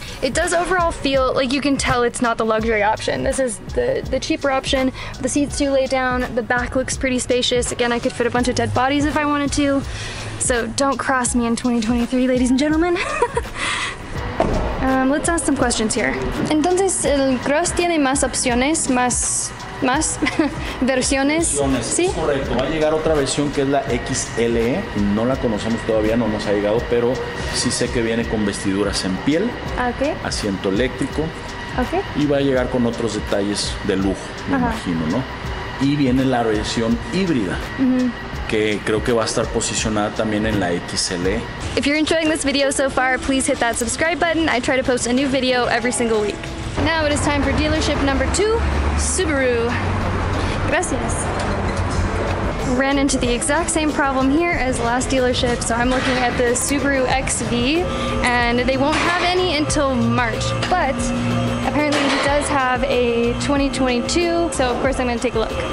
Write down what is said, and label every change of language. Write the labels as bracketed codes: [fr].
[en] It does overall feel like you can tell it's not the luxury option. This is the cheaper option. The seats do lay down. The back looks pretty spacious. Again, I could fit a bunch of dead bodies if I wanted to. So don't cross me in 2023, ladies and gentlemen. let's ask some questions here. [es] Entonces, el Cross tiene más opciones, más versiones. Sí. Correcto. Va a llegar otra versión que es la XLE. No la conocemos todavía, no nos ha llegado, pero sí sé que viene con vestiduras en piel, asiento eléctrico, y va a llegar con otros detalles de lujo, me imagino, ¿no? Y viene la versión híbrida. Que creo que va a estar posicionada también en la XLE. [en] If you're enjoying this video so far, please hit that subscribe button. I try to post a new video every single week. Now it is time for dealership number two, Subaru. [es] Gracias. [en] Ran into the exact same problem here as last dealership, so I'm looking at the Subaru XV, and they won't have any until March, but apparently it does have a 2022, so of course I'm gonna take a look.